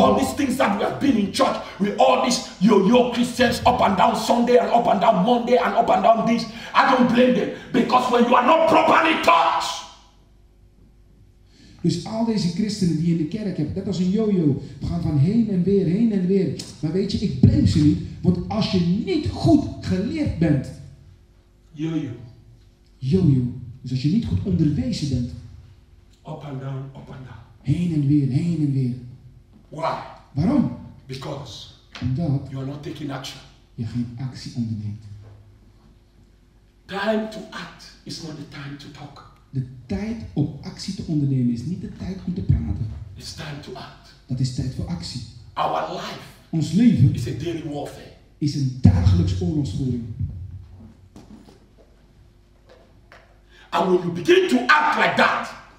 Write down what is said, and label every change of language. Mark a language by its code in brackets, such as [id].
[en] All these things that we have been in church with all these yo-yo Christians up and down Sunday and up and down Monday and up and down this. I don't blame them. Because when you are not properly taught. [nl] Dus al deze christenen die je in de kerk hebt, net als een yo-yo, we gaan van heen en weer, maar weet je, ik blame ze niet, want als je niet goed geleerd bent, [en] yo-yo, [nl] yo-yo, dus als je niet goed onderwezen bent, [en] up and down, [nl] heen en weer, [en] why? [nl] Waarom? [en] Because, [nl] omdat, [en] you are not taking action, [nl] je geen actie onderneemt. [en] Time to act is not the time to talk. [nl] De tijd om actie te ondernemen is niet de tijd om te praten. [en] It's time to act. [nl] Dat is tijd voor actie. [en] Our life. [nl] Ons leven [en] is a daily warfare. [nl] Is een dagelijks oorlogsvoering. [en] And when you begin to act like that.